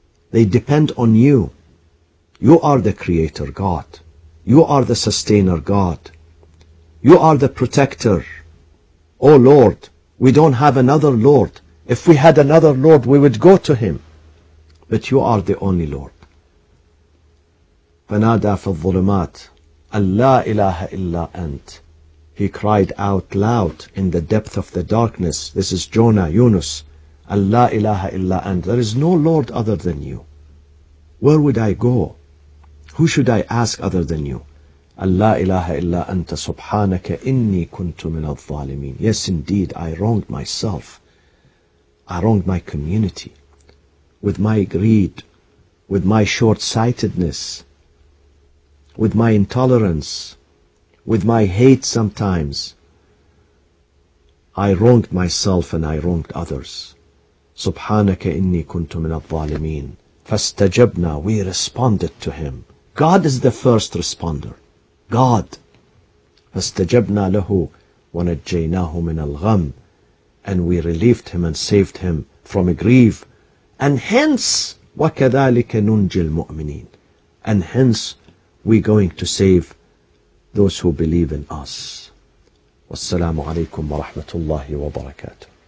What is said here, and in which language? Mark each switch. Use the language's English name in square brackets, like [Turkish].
[English] They depend on you. You are the creator, God. You are the sustainer, God. You are the protector. Oh Lord, we don't have another Lord. If we had another Lord, we would go to him. But you are the only Lord. [Arabic] فنادى في الظلمات أن لا إله إلا أنت. [English] He cried out loud in the depth of the darkness. This is Jonah, Yunus. [Arabic] أن لا إله إلا أنت. [English] There is no Lord other than you. Where would I go? Who should I ask other than you? [Arabic] أن لا إله إلا أنت سبحانك إني كنت من الظالمين. [English] Yes, indeed, I wronged myself. I wronged my community with my greed, with my short-sightedness, with my intolerance, with my hate sometimes, I wronged myself and I wronged others. [Arabic] Subhanaka inni kuntu min al-zalimin. Fastajabna, [English] we responded to him. God is the first responder. God. [Arabic] Fastajabna lahu wa najjaynahu min al-gham. [English] And we relieved him and saved him from a grief. And hence, [Arabic] وَكَذَلِكَ نُنْجِي الْمُؤْمِنِينَ. [English] And hence, we're going to save those who believe in us. [Arabic] والسلام عليكم ورحمة الله وبركاته.